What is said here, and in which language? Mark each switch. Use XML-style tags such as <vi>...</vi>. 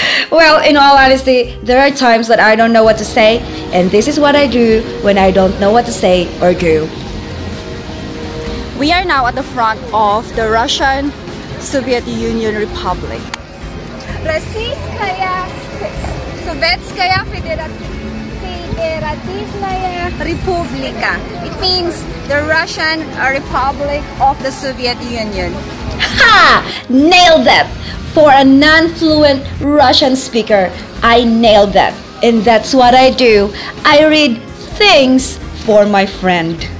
<en>Well, in all honesty, there are times that I don't know what to say, and this is what I do when I don't know what to say or do. We are now at the front of the Russian Soviet Union Republic.</en> <ru>Российская Советская Федеративная Республика.</ru> <en>It means the Russian Republic of the Soviet Union. Ha! Nailed that! For a non-fluent Russian speaker, I nailed that. And that's what I do. I read things for my friend.</en>